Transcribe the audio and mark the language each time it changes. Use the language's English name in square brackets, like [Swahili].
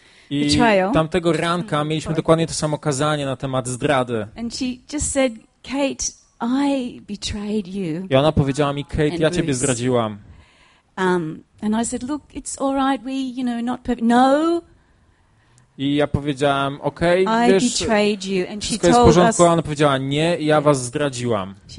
[Polish] I tamtego ranka mieliśmy dokładnie to samo kazanie na temat zdrady. [English] And she just said, Kate, I betrayed you. [Polish] I ona powiedziała mi, Kate, ja ciebie zdradziłam. [English] And I said, look, it's all right. We, you know, not perfect. No. [Polish] I ja powiedziałam, okej, okay, wiesz, wszystko jest w porządku, a ona powiedziała, nie, ja was zdradziłam.